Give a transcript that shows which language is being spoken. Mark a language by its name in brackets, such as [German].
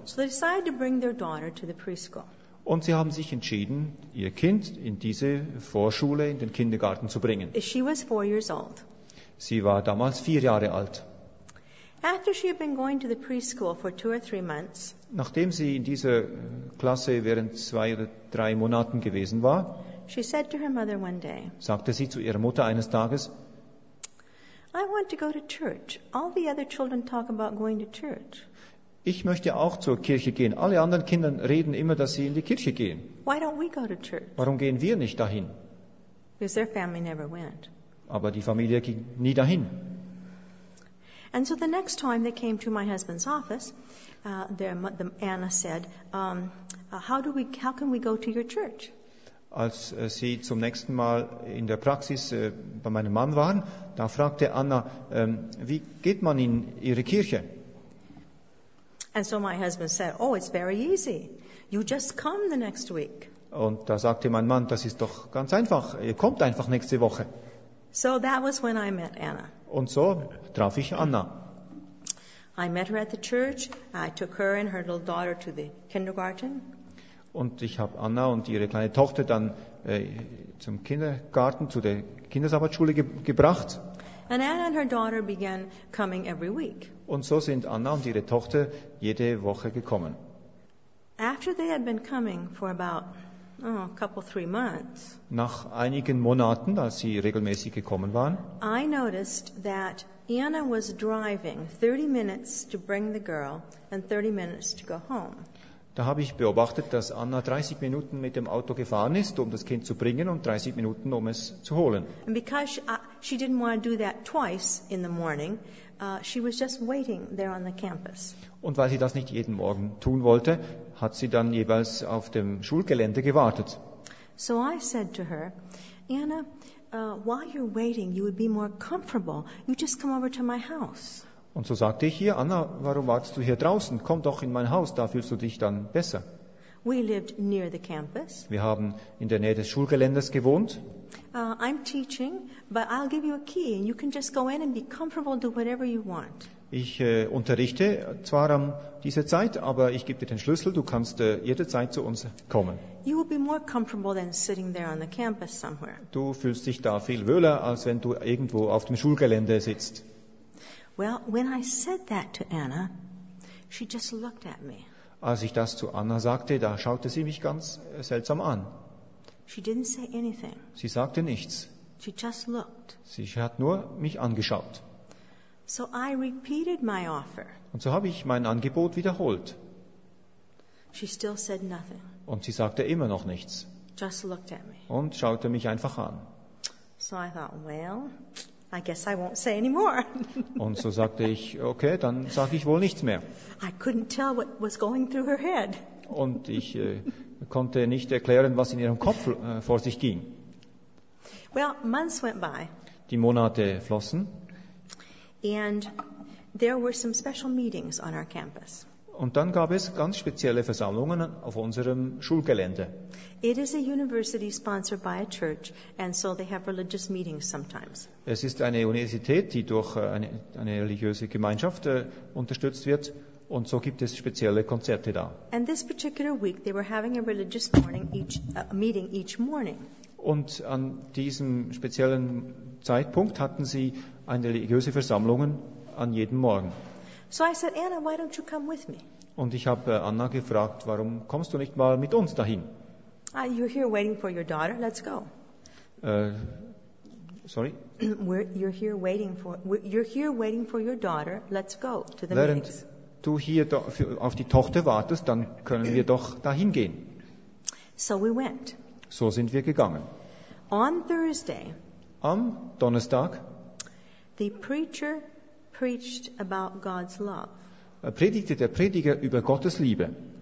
[English] So they decided to bring their daughter to the preschool. [German] Und sie haben sich entschieden, ihr Kind in diese Vorschule, in den Kindergarten zu bringen. [English] She was 4 years old. [German] Sie war damals 4 Jahre alt. [English] After she had been going to the preschool for 2 or 3 months, [German] nachdem sie in dieser Klasse während 2 oder 3 Monaten gewesen war, [English] she said to her mother one day, [German] sagte sie zu ihrer Mutter eines Tages, [English] I want to go to church. All the other children talk about going to church. [German] Ich möchte auch zur Kirche gehen. Alle anderen Kinder reden immer, dass sie in die Kirche gehen. [English] Why don't we go to church? [German] Warum gehen wir nicht dahin? [English] Because their family never went. [German] Aber die Familie ging nie dahin. [English] And so the next time they came to my husband's office, Anna said, how can we go to your church? [German] Als sie zum nächsten Mal in der Praxis bei meinem Mann waren, da fragte Anna, wie geht man in ihre Kirche? [English] And so my husband said, oh, it's very easy. You just come the next week. [German] Und da sagte mein Mann, das ist doch ganz einfach. Ihr kommt einfach nächste Woche. [English] So that was when I met Anna. [German] Und so traf ich Anna. [English] I met her at the church. I took her and her little daughter to the kindergarten. [German] Und ich habe Anna und ihre kleine Tochter dann zum Kindergarten, zu der Kindersabbatschule gebracht. [English] And Anna and her daughter began coming every week. [German] Und so sind Anna und ihre Tochter jede Woche gekommen. [English] After they had been coming for about a couple, 3 months. [German] Nach einigen Monaten, als sie regelmäßig gekommen waren. [English] I noticed that Anna was driving 30 minutes to bring the girl and 30 minutes to go home. [German] Da habe ich beobachtet, dass Anna 30 Minuten mit dem Auto gefahren ist, um das Kind zu bringen und 30 Minuten, um es zu holen. [English] And because she didn't want to do that twice in the morning, she was just waiting there on the campus. [German] Und weil sie das nicht jeden Morgen tun wollte, hat sie dann jeweils auf dem Schulgelände gewartet. [English] So I said to her, Anna, while you're waiting, you would be more comfortable. You just come over to my house. [German] Und so sagte ich ihr, Anna, warum wartest du hier draußen? Komm doch in mein Haus, da fühlst du dich dann besser. [English] We lived near the campus. [German] Wir haben in der Nähe des Schulgeländes gewohnt. [English] I'm teaching, but I'll give you a key and you can just go in and be comfortable and do whatever you want. [German] Ich unterrichte zwar an dieser Zeit, aber ich gebe dir den Schlüssel, du kannst jederzeit zu uns kommen. [English] You will be more comfortable than sitting there on the campus somewhere. [German] Du fühlst dich da viel wohler, als wenn du irgendwo auf dem Schulgelände sitzt. [English] Well, when I said that to Anna, she just looked at me. [German] Als ich das zu Anna sagte, da schaute sie mich ganz seltsam an. [English] She didn't say anything. [German] Sie sagte nichts. [English] She just looked. [German] Sie hat nur mich angeschaut. [English] So I repeated my offer. [German] Und so habe ich mein Angebot wiederholt. [English] She still said nothing. [German] Und sie sagte immer noch nichts. [English] Just looked at me. [German] Und schaute mich einfach an. [English] So I thought, well, I guess I won't say any more. [German] Und so sagte ich, okay, dann sage ich wohl nichts mehr. [English] I couldn't tell what was going through her head. [German] Und ich konnte nicht erklären, was in ihrem Kopf vor sich ging. [English] Well, months went by. [German] Die Monate flossen. [English] And there were some special meetings on our campus. [German] Und dann gab es ganz spezielle Versammlungen auf unserem Schulgelände. [English] It is a university sponsored by a church, and so they have religious meetings sometimes. [German] Es ist eine Universität, die durch eine religiöse Gemeinschaft unterstützt wird, und so gibt es spezielle Konzerte da. [English] And this particular week they were having a religious morning meeting each morning. [German] Und an diesem speziellen Zeitpunkt hatten sie eine religiöse Versammlung an jedem Morgen. [English] So I said, Anna, why don't you come with me? [German] Und ich habe Anna gefragt, warum kommst du nicht mal mit uns dahin? [English] You're here waiting for your daughter. Let's go. Sorry. You're here waiting for your daughter. Let's go to the [German] Während [English] meetings. [German] Du hier auf die Tochter wartest, dann können wir doch dahin gehen. [English] So we went. [German] So sind wir gegangen. [English] On Thursday. [German] Am Donnerstag. [English] The preacher preached about God's love. [German] Er predigte der Prediger über Gottes Liebe.